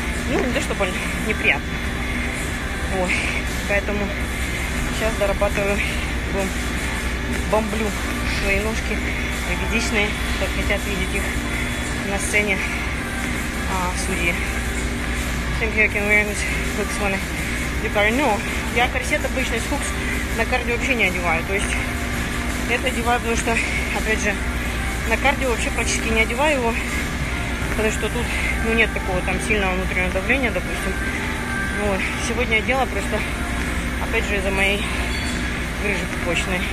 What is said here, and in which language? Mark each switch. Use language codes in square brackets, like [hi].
[ru] Ну, не то, что больно, неприятно. Вот, поэтому сейчас дорабатываю, бомблю свои ножки ягодичные, как хотят видеть их на сцене судьи. [en] Think you can wear this hooks when you carry. [ru] No, я корсет обычный с хукс на кардио вообще не одеваю. То есть это одеваю, потому что, опять же, на кардио вообще практически не одеваю его, потому что тут, ну, нет такого там сильного внутреннего давления, допустим. Ну, сегодня дело просто, опять же, из-за моей грыжи пупочной.